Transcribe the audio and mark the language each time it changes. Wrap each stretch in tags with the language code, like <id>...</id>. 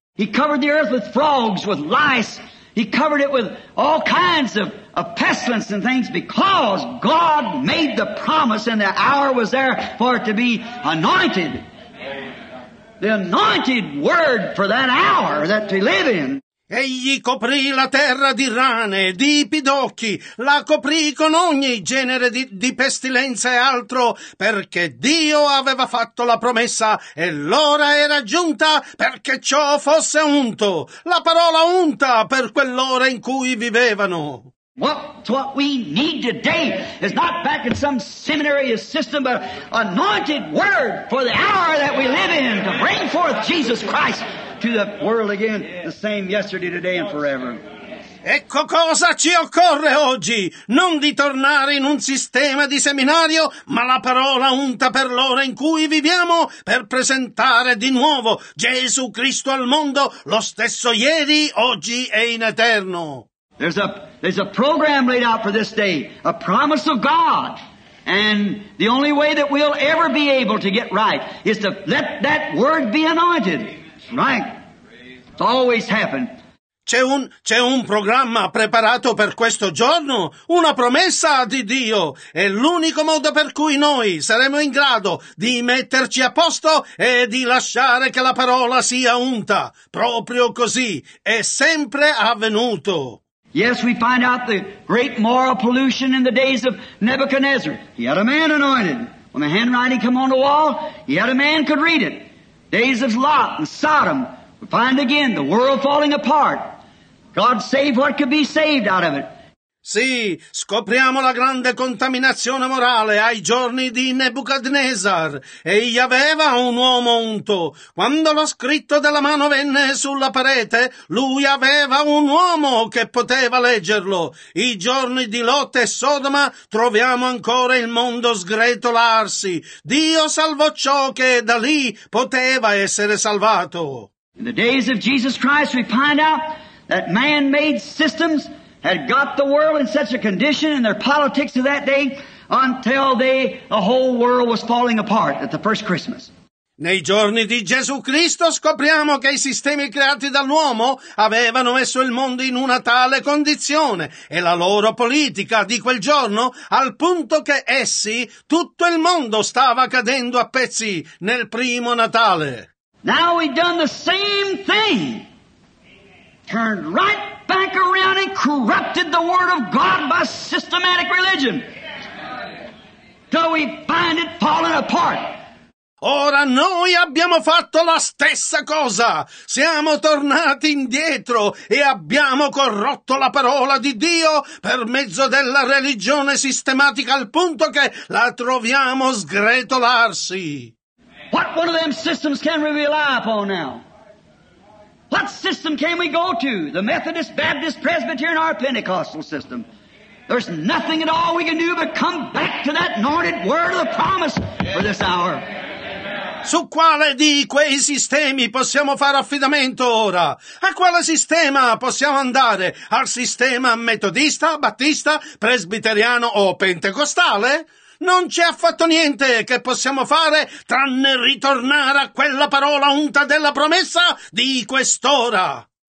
<en>He covered the earth with frogs, with lice, he covered it with all kinds of pestilence and things, because God made the promise and the hour was there for it to be anointed. The anointed word for that hour that we live in.</en> <it>Egli coprì la terra di rane, di pidocchi, la coprì con ogni genere di pestilenza e altro, perché Dio aveva fatto la promessa e l'ora era giunta perché ciò fosse unto, la parola unta per quell'ora in cui vivevano.</it> <en>What we need today is not back in some seminary system, but anointed word for the hour that we live in, to bring forth Jesus Christ to the world again, the same yesterday, today, and forever.</en> <it>Ecco cosa ci occorre oggi, non di tornare in un sistema di seminario, ma la parola unta per l'ora in cui viviamo, per presentare di nuovo Gesù Cristo al mondo, lo stesso ieri, oggi e in eterno.</it> <en>There's a program laid out for this day, a promise of God, and the only way that we'll ever be able to get right is to let that word be anointed, right? It's always happened.</en> <it>C'è un programma preparato per questo giorno, una promessa di Dio, e l'unico modo per cui noi saremo in grado di metterci a posto è di lasciare che la parola sia unta, proprio così, è sempre avvenuto.</it> <en>Yes, we find out the great moral pollution in the days of Nebuchadnezzar. He had a man anointed. When the handwriting came on the wall, he had a man could read it. Days of Lot and Sodom. We find again the world falling apart. God saved what could be saved out of it.</en> <it>Sì, scopriamo la grande contaminazione morale ai giorni di Nebuchadnezzar. Egli aveva un uomo unto. Quando lo scritto della mano venne sulla parete, lui aveva un uomo che poteva leggerlo. I giorni di Lot e Sodoma troviamo ancora il mondo sgretolarsi. Dio salvò ciò che da lì poteva essere salvato.</it> <en>In the days of Jesus Christ we find out that man-made systems had got the world in such a condition in their politics of that day until the whole world was falling apart at the first Christmas.</en> <it>Nei giorni di Gesù Cristo scopriamo che i sistemi creati dall'uomo avevano messo il mondo in una tale condizione e la loro politica di quel giorno al punto che essi, tutto il mondo stava cadendo a pezzi nel primo Natale.</it> <en>Now we've done the same thing. Turned right back around and corrupted the word of God by systematic religion. Till we find it falling apart.</en> <it>Ora noi abbiamo fatto la stessa cosa. Siamo tornati indietro e abbiamo corrotto la parola di Dio per mezzo della religione sistematica al punto che la troviamo sgretolarsi.</it> <en>What one of them systems can we rely upon now? What system can we go to? The Methodist, Baptist, Presbyterian, or Pentecostal system? There's nothing at all we can do but come back to that anointed word of the promise for this hour.</en> <it>Su quale di quei sistemi possiamo fare affidamento ora? A quale sistema possiamo andare? Al sistema metodista, battista, presbiteriano o pentecostale? Non c'è affatto niente che possiamo fare tranne ritornare a quella parola unta della promessa di quest'ora.</it>